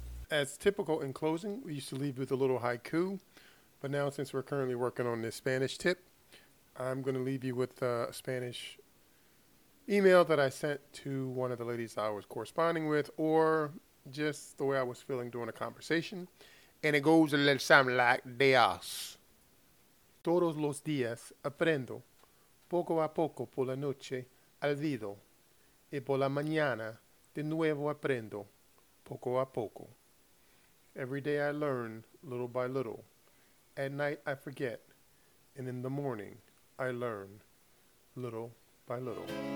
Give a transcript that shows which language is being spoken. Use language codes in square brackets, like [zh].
[en] As typical in closing, we used to leave with a little haiku, but now since we're currently working on this Spanish tip, I'm going to leave you with a Spanish email that I sent to one of the ladies I was corresponding with, or just the way I was feeling during a conversation. And it goes a little something like this. [es] Todos los días aprendo, poco a poco por la noche, olvido, y por la mañana, de nuevo aprendo, poco a poco. [en] Every day I learn, little by little. At night I forget, and in the morning I learn, little by little.